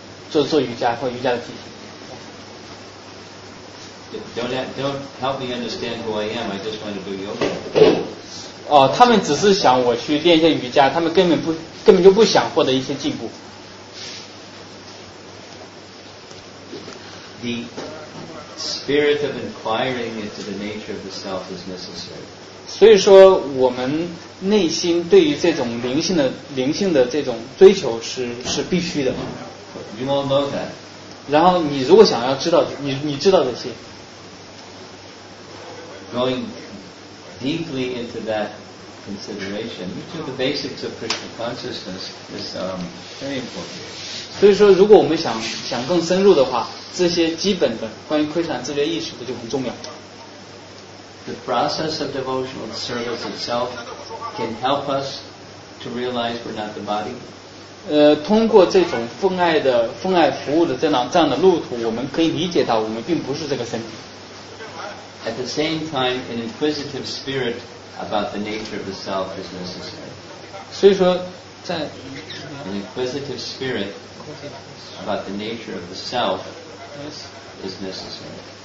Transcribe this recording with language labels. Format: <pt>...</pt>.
<zh>做瑜伽或瑜伽的体</zh> <en>系。Don't help me understand who I am. I just want to do yoga.</en> <zh>哦，他们只是想我去练一下瑜伽，他们根本就不想获得一些进步。</zh> <en>The spirit of inquiring into the nature of the self is necessary.</en> <zh>所以说，我们内心对于这种灵性的这种追求是必须的。</zh> <en>You all know that.</en> <zh>然后你如果想要知道，你知道这些。</zh> <en>Going deeply into that consideration, which are the basics of Krishna consciousness, is very important.</en> <zh>所以说，如果我们想更深入的话，这些基本的关于 Krishna 自觉意识的就很重要。</zh> <en>The process of devotional service itself can help us to realize we're not the body.</en> <zh>通过这种奉爱服务的这样的路途，我们可以理解到我们并不是这个身体。</zh> <en>At the same time, an inquisitive spirit about the nature of the self is necessary.</en> <zh>所以说，在</zh> <en>an inquisitive spirit about the nature of the self is necessary.</en>